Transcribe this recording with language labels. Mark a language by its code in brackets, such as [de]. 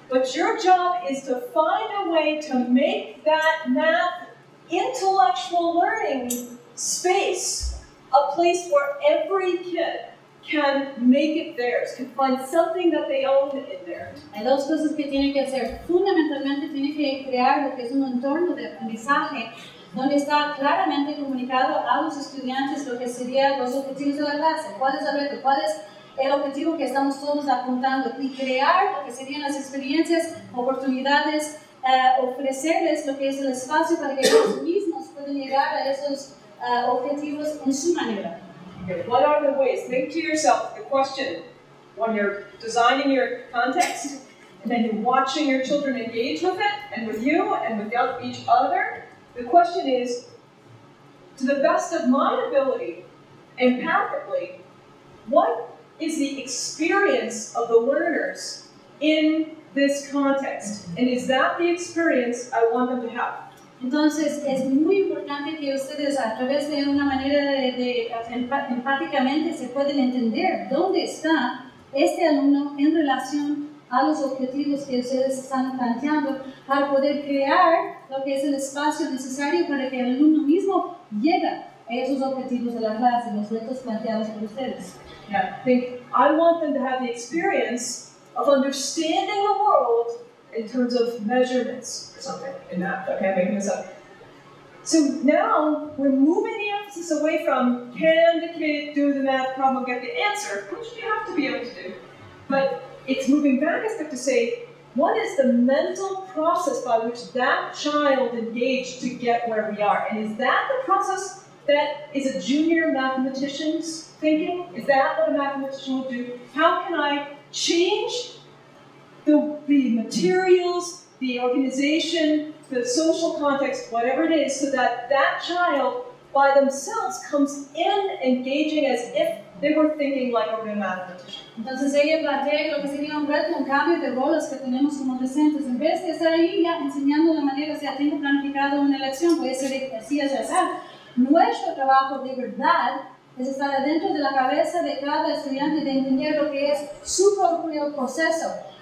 [en] But your job is to find a way to make that math intellectual learning space, a place where every kid can make it theirs, can find something that they own in there. [es] Hay dos cosas que tiene que hacer. Fundamentalmente tiene que crear lo que es un entorno de aprendizaje donde está claramente comunicado a los estudiantes lo que serían los objetivos de la clase. ¿Cuál es el reto? ¿Cuál es el objetivo que estamos todos apuntando? Y crear lo que serían las experiencias, oportunidades, ofrecerles lo que es el espacio para que ellos mismos puedan llegar a esos objetivos en su manera. [en] Okay, what are the ways? Think to yourself the question when you're designing your context and then you're watching your children engage with it and with you and with each other. The question is, to the best of my ability, empathically, what is the experience of the learners in this context? And is that the experience I want them to have? [es] Entonces, es muy importante que ustedes a través de una manera de empáticamente se pueden entender dónde está este alumno en relación a los objetivos que ustedes están planteando para poder crear lo que es el espacio necesario para que el alumno mismo llegue a esos objetivos de la clase, los retos planteados por ustedes. [en] Yeah, I want them to have the experience of understanding the world in terms of measurements or something in math. Okay, I'm making this up. So now we're moving the emphasis away from can the kid do the math problem, get the answer, which you have to be able to do. But it's moving back a step to say, what is the mental process by which that child engaged to get where we are? And is that the process that is a junior mathematician's thinking? Is that what a mathematician will do? How can I change the materials, the organization, the social context, whatever it is, so that that child by themselves comes in engaging as if they were thinking like a real mathematician? [es] Entonces ella plantea lo que sería un reto, un cambio de roles que tenemos como docentes. En vez de estar ahí ya enseñando la manera, o sea, tengo planificado una lección, voy a hacer así, así, así. Nuestro trabajo de verdad es estar adentro de la cabeza de cada estudiante, de entender lo que es su propio proceso.